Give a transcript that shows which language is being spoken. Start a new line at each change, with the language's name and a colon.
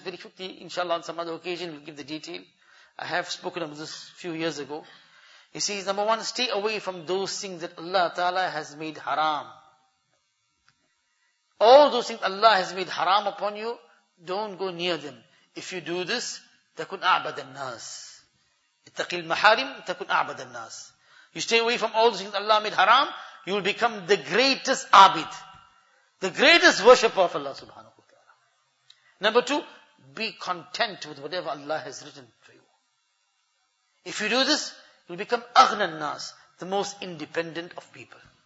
English: Very quickly, inshallah, on some other occasion, we'll give the detail. I have spoken about this a few years ago. He says, number one, stay away from those things that Allah Ta'ala has made haram. All those things Allah has made haram upon you, don't go near them.
Arabic: If you do this, تَكُنْ أَعْبَدَ النَّاسِ اتَّقِي الْمَحَارِمِ تَكُنْ أَعْبَدَ النَّاسِ.
English: You stay away from all those things Allah made haram, you will become the greatest abid, the greatest worshipper of Allah subhanahu wa ta'ala. Number two, be content with whatever Allah has written for you. If you do this, you will become أَغْنَ النَّاسِ, the most independent of people.